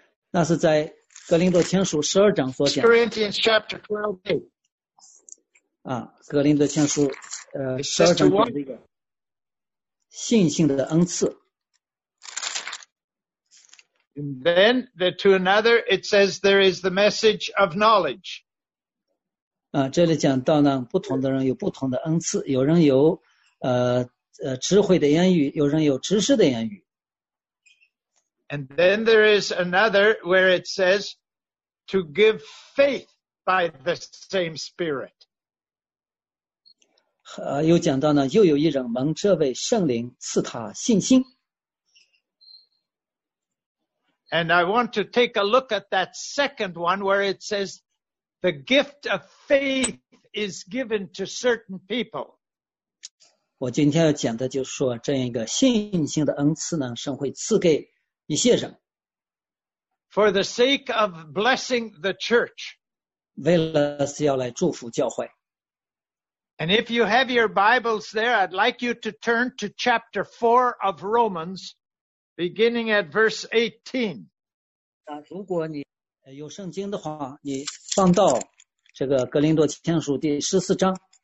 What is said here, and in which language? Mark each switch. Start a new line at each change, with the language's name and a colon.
Chinese: 那是在哥林多前书十二章所讲。
English: Corinthians chapter 12.
Chinese: 哥林多前书十二章讲的信心的恩赐。
English: And then to another, it says there is the message of knowledge.
Chinese: 这里讲到呢，不同的人有不同的恩赐，有人有智慧的言语，有人有知识的言语。
English: And then there is another where it says to give faith by the same Spirit.
Chinese: 又讲到呢，又有一人蒙这位圣灵赐他信心。
English: And I want to take a look at that second one where it says the gift of faith is given to certain people.
Chinese: 我今天要讲的就是说这样一个信心的恩赐呢，神会赐给一些人。
English: For the sake of blessing the church.
Chinese: 为了是要来祝福教会。
English: And if you have your Bibles there, I'd like you to turn to chapter 4 of Romans. Beginning at verse 18.
Chinese: 如果你有圣经的话，你放到这个哥林多前书第十四章。